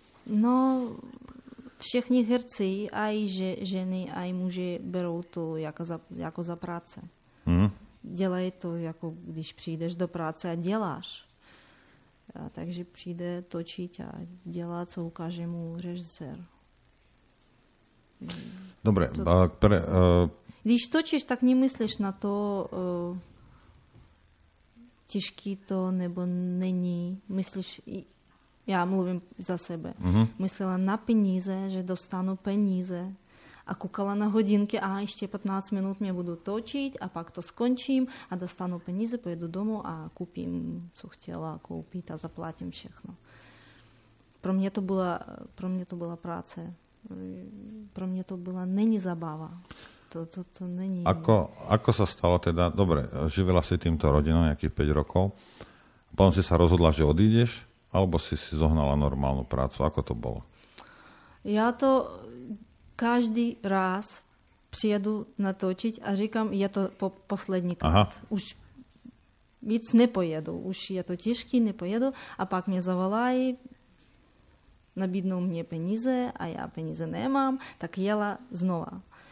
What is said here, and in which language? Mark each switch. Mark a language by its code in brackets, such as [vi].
[cs] No, všichni herci, aj ženy, aj muži, berú to ako za práce. Mm. Dělej to, ako když prídeš do práce a deláš. A takže príde točiť a dělá, co ukáže mu režisér. [sk] Dobre, to, [cs] Když točíš, tak nemyslíš na to... Těžký to nebo není. Myslíš, já mluvím za sebe. Mm-hmm. Myslela na peníze, že dostanu peníze a koukala na hodinky a ještě 15 minut mě budu točit a pak to skončím a dostanu peníze, pojedu domů a koupím, co chtěla koupit a zaplatím všechno. Pro mě to byla práce. Pro mě to byla není zabava. To není... [sk] Ako sa stalo teda, dobre, živila si týmto rodinou nejakých 5 rokov, potom si sa rozhodla, že odídeš, alebo si zohnala normálnu prácu, ako to bolo? [cs] Ja to každý raz prijedu natočiť a říkam, je to posledný krát. Aha. Už nic nepojedu, už je to ťažký, nepojedu a pak mě zavolají, nabídnou mne peníze a ja peníze nemám, tak jela znova.